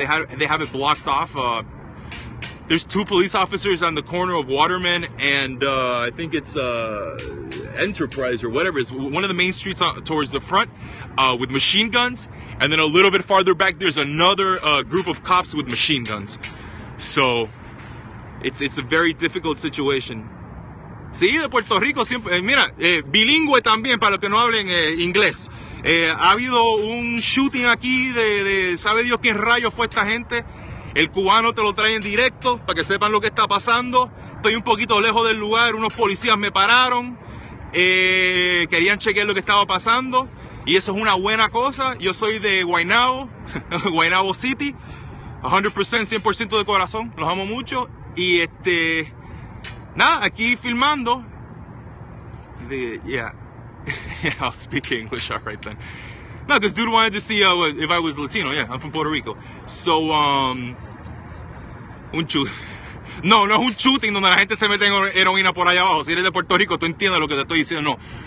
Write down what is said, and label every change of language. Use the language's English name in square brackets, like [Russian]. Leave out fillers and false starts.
[English] They have it blocked off. There's two police officers on the corner of Waterman and I think it's Enterprise or whatever. It's one of the main streets towards the front with machine guns. And then a little bit farther back, there's another group of cops with machine guns. So it's a very difficult situation. [Spanish] Sí, de Puerto Rico, siempre, mira, bilingüe también para los que no hablen inglés. Ha habido un shooting aquí de sabe Dios quién rayo fue esta gente. El cubano te lo trae en directo para que sepan lo que está pasando. Estoy un poquito lejos del lugar, unos policías me pararon, querían chequear lo que estaba pasando. Y eso es una buena cosa. Yo soy de Guaynabo, Guaynabo City, 100%, 100% de corazón. Los amo mucho. Y este, nada, aquí filmando. [English] Yeah, I'll speak English all right then. No, this dude wanted to see if I was Latino. Yeah, I'm from Puerto Rico. So, un shooting. [Spanish] No es un shooting donde la gente se mete en heroína por allá abajo. Si eres de Puerto Rico, tú entiendes lo que te estoy diciendo.